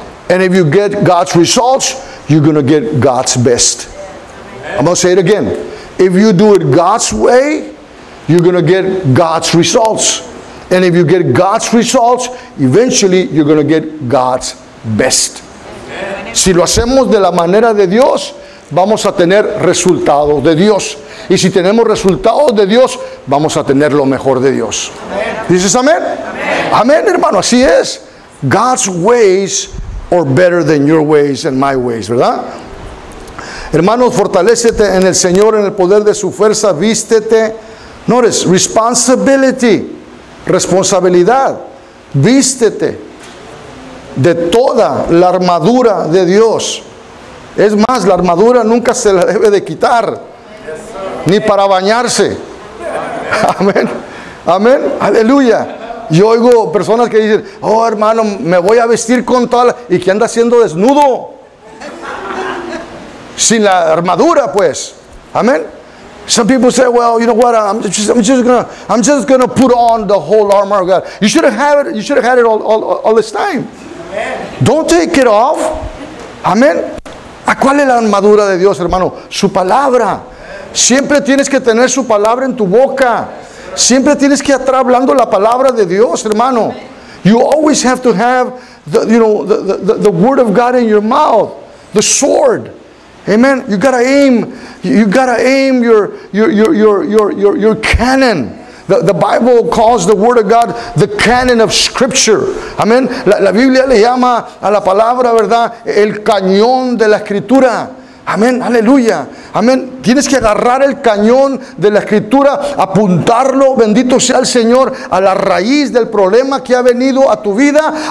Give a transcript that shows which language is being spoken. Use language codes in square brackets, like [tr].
[en] And if you get God's results, you're going to get God's best. I'm going to say it again. If you do it God's way, you're going to get God's results. And if you get God's results, eventually you're going to get God's best. Amen. [es] Si lo hacemos de la manera de Dios, vamos a tener resultados de Dios. Y si tenemos resultados de Dios, vamos a tener lo mejor de Dios. ¿Dices amén? Amén, hermano, así es. [en] God's ways are better than your ways and my ways, ¿verdad? [es] Hermanos, fortalécete en el Señor, en el poder de su fuerza, vístete. [en] Notice, responsibility. Responsabilidad. [es] Vístete de toda la armadura de Dios. Es más, la armadura nunca se la debe de quitar. Ni para bañarse. Amén. Amén. Aleluya. Yo oigo personas que dicen, oh hermano, me voy a vestir con tal, y que anda siendo desnudo. Sin la armadura, pues. Amén. [en] Some people say, well, you know what, I'm just gonna put on the whole armor of God. You should have had it all this time. Amen. Don't take it off. Amén. [es] ¿A cuál es la armadura de Dios, hermano? Su palabra. Siempre tienes que tener su palabra en tu boca. Siempre tienes que estar hablando la palabra de Dios, hermano. [en] You always have to have the word of God in your mouth, the sword. Amen. You gotta aim your cannon. The Bible calls the Word of God the cannon of Scripture. Amen. [es] La Biblia le llama a la palabra, ¿verdad?, el cañón de la Escritura. Amén, aleluya. Amén. Tienes que agarrar el cañón de la Escritura, apuntarlo, bendito sea el Señor, a la raíz del problema que ha venido a tu vida.